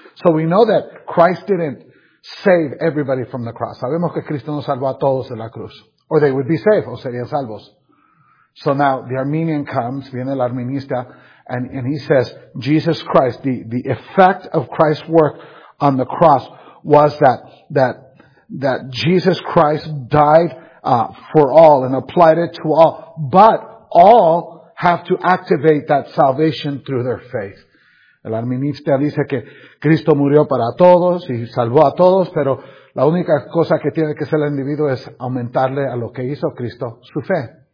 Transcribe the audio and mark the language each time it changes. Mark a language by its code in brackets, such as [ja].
[en] So we know that Christ didn't save everybody from the cross. [es] Sabemos que Cristo no salvó a todos de la cruz. [en] Or they would be saved, o serían salvos. So now, the Arminian comes, viene el arminista, and he says, Jesus Christ, the effect of Christ's work on the cross was that Jesus Christ died for all and applied it to all. But all have to activate that salvation through their faith. [es] El arminista dice que Cristo murió para todos y salvó a todos, pero la única cosa que tiene que hacer el individuo es aumentarle a lo que hizo Cristo su fe.